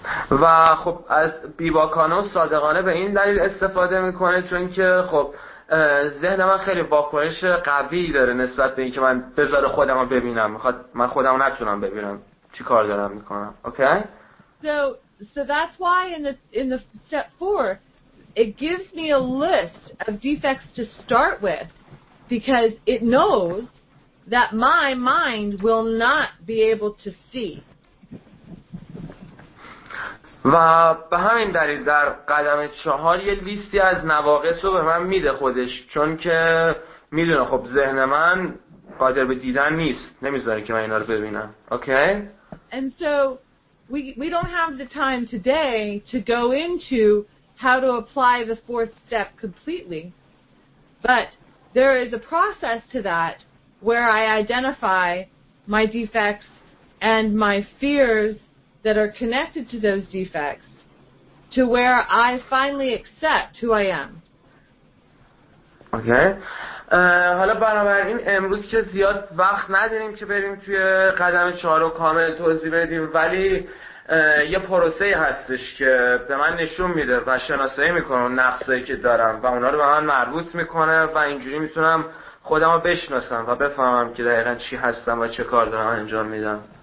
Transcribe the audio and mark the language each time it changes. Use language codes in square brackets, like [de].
[fa] و خب از بیباکانه و صادقانه به این دلیل استفاده میکنه چون که خب ذهن من خیلی واکنش قوی داره نسبت به اینکه من بذار خودم رو ببینم، میخواد من خودم رو نتونم ببینم چی کار دارم میکنم. اوکی؟ [en] So that's why in the step four it gives me a list of defects to start with, because it knows that my mind will not be able to see. [fa] و به همین دلیل در قدم چهار یه لیستی از نواقص رو به من میده خودش، چون که میدونه خب ذهن من قادر به دیدن نیست، نمیذاره که من اینا رو ببینم. اوکی؟ [en] And so we don't have the time today to go into how to apply the fourth step completely, but there is a process to that where I identify my defects and my fears that are connected to those defects to where I finally accept who I am. Okay. [fa] حالا بنابراین امروز که زیاد وقت نداریم که بریم توی قدم چهار رو کامل توضیح بدیم، ولی یه پروسه هستش که به من نشون میده و شناسایی میکنه اون نقصایی که دارم و اونا رو به من مربوط میکنه و اینجوری میتونم خودم رو بشناسم و بفهمم که دقیقا چی هستم و چه کار دارم انجام میدم.